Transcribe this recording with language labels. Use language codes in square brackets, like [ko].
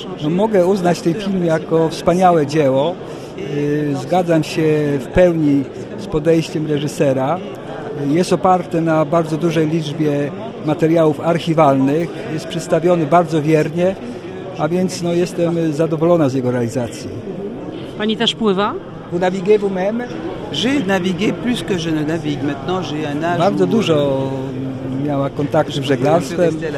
[pl] Mogę uznać ten film jako wspaniałe dzieło. Zgadzam się w pełni z podejściem reżysera. Jest oparte na bardzo dużej liczbie materiałów archiwalnych. Jest przedstawiony bardzo wiernie, a więc no, jestem zadowolona z jego realizacji. Pani też pływa? [fr] Vous naviguez vous-même? J'ai navigué plus que je ne navigue. Maintenant, j'ai un âge. [pl] Bardzo dużo miała kontaktu z żeglarstwem.